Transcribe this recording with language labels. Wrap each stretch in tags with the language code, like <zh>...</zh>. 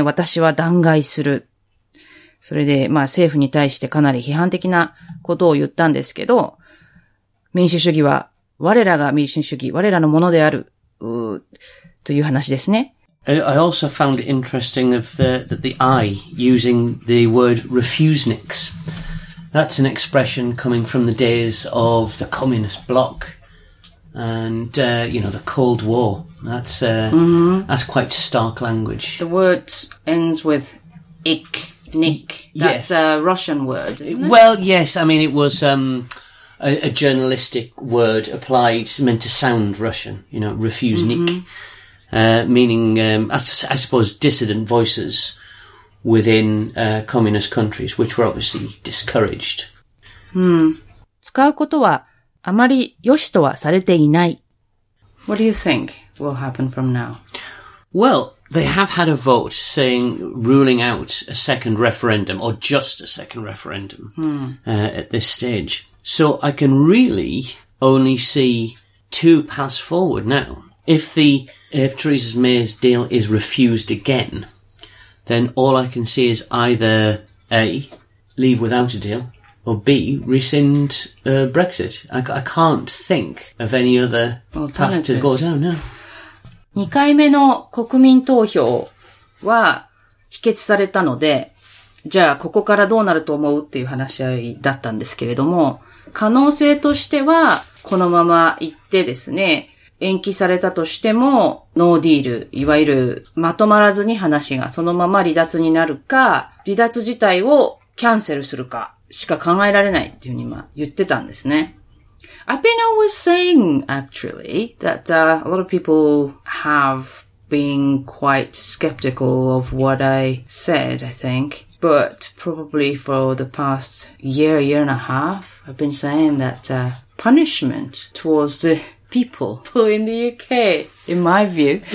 <ja>私は弾劾する。それで、まあ政府に対してかなり批判的なことを言ったんですけど、民主主義は我らが民主主義、我らのものである、という話ですね。</ja> <en>I also found it interesting that the I using the word refuseniks. That's an expression coming from the days of the communist bloc. and you know, the Cold War. That's that's quite stark language. The word ends with ick, nick. That's a Russian word, isn't it? Well, yes. I mean, it was a journalistic word applied, meant to sound Russian. You know, refuse nick, meaning I suppose dissident voices within communist countries, which were obviously discouraged.</en> <ja>使うことはあまり良しとはされていない。</ja> <en>What do you think will happen from now? Well, they have had a vote saying ruling out a second referendum or just a second referendum at this stage. So I can really only see two paths forward now. If Theresa May's deal is refused again, then all I can see is either A, leave without a deal, or B, rescind Brexit. I can't think of any other path to go down now.</en> <ja>2回目の国民投票は否決されたので、じゃあここからどうなると思うっていう話し合いだったんですけれども、可能性としてはこのまま行ってですね、延期されたとしてもノーディール、いわゆるまとまらずに話がそのまま離脱になるか、離脱自体をキャンセルするかしか考えられないっていうふうに今言ってたんですね。</ja> <en>I've been always saying, actually, that a lot of people have been quite skeptical of what I said, I think. But probably for the past year, year and a half, I've been saying that punishment towards the people in the UK, in my view.</en>